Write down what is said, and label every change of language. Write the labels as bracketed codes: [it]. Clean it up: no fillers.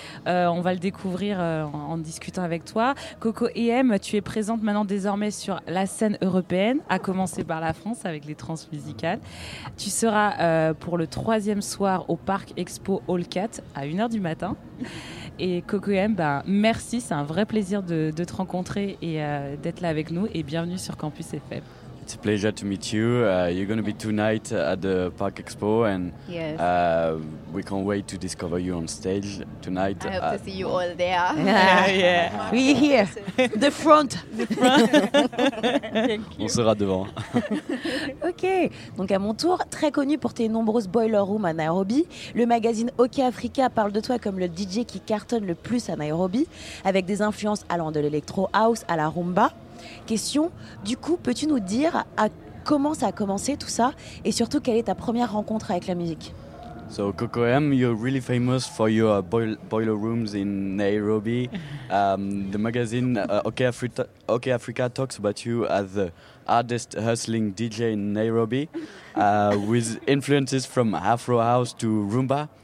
[fr] On va le découvrir en discutant avec toi. Coco EM, tu es présente maintenant désormais sur la scène européenne, à commencer par la France avec les transmusicales. Tu seras pour le troisième soir au Parc Expo Hall 4 à 1h du matin. Et Coco M, ben, merci, c'est un vrai plaisir de te rencontrer et d'être là avec nous. Et bienvenue sur Campus FM. [en] It's a pleasure to meet you. You're going to be tonight at the Parc Expo. And yes. We can't wait to discover you on stage tonight. I hope to see you all there. Yeah. We're here. The front. Thank you. [fr] On sera devant. [en] OK. [fr] Donc à mon tour, très connu pour tes nombreuses boiler rooms à Nairobi. Le magazine OK Africa parle de toi comme le DJ qui cartonne le plus à Nairobi, avec des influences allant de l'électro house à la rumba. Question, du coup, peux-tu nous dire à comment ça a commencé tout ça et surtout quelle est ta première rencontre avec la musique? [en] So Coco M, you're really famous for your boiler rooms in Nairobi. The magazine OK Africa talks about you as the hardest hustling DJ in Nairobi with influences from Afro House to Rumba.